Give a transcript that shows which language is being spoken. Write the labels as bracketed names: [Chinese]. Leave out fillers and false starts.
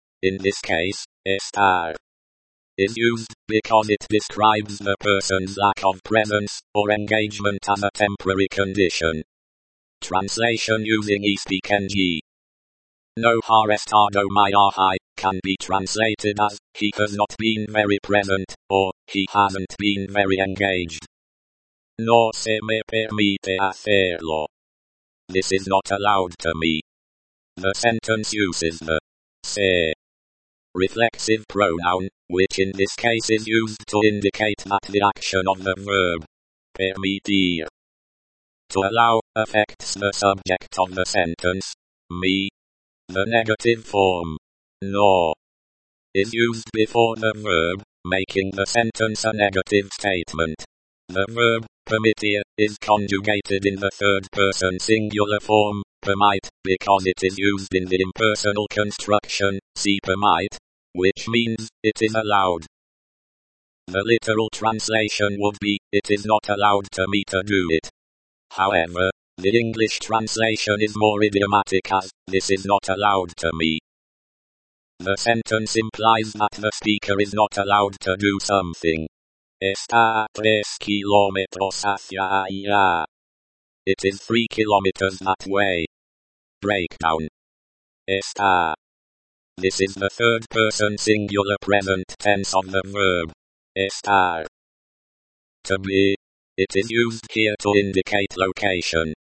[English] In this case, estar is used because it describes the person's lack of presence or engagement as a temporary condition. Translation using eSpeak NG. [Spanish] No har estado muy ahí [English] can be translated as he has not been very present or he hasn't been very engaged. [Spanish] No se me permite hacerlo. [English] This is not allowed to me. The sentence uses the se reflexive pronoun, which in this case is used to indicate that the action of the verb permitir to allow affects the subject of the sentence, me. The negative form no is used before the verb, making the sentence a negative statement. The verb permitir is conjugated in the third person singular form, permite, because it is used in the impersonal construction, see permite, which means it is allowed. The literal translation would be, it is not allowed to me to do it. However, the English translation is more idiomatic as, this is not allowed to me. The sentence implies that the speaker is not allowed to do something. [Spanish] Está a 3 kilómetros hacia allá. [English] It is 3 kilometers that way. Breakdown. Está. This is the third person singular present tense of the verb. Estar. To be. It is used here to indicate location.